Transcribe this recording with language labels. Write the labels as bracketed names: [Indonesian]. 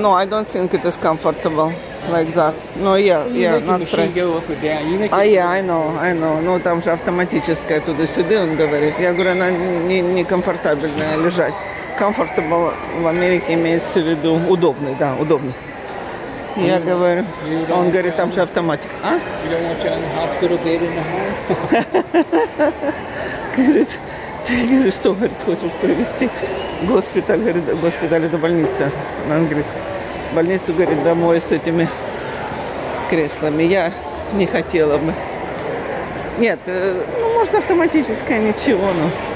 [English] No, I don't think it is comfortable like that. No, yeah, not straight. I know. [Russian] Ну, там же автоматическая туда-сюда, он говорит. Я говорю, она не комфортабельная лежать. Comfortable в Америке имеется в виду удобный, да, удобный. Я говорю, он говорит, там же автоматик. А? [English] You don't want your hospital bed in the home? [Russian] Говорит, ты говоришь, что, говорит, хочешь провести госпиталь? Говорит, госпиталь — это больница на английском. Больницу, говорит, домой с этими креслами. Я не хотела бы. Нет, ну, может, автоматическое, ничего, но...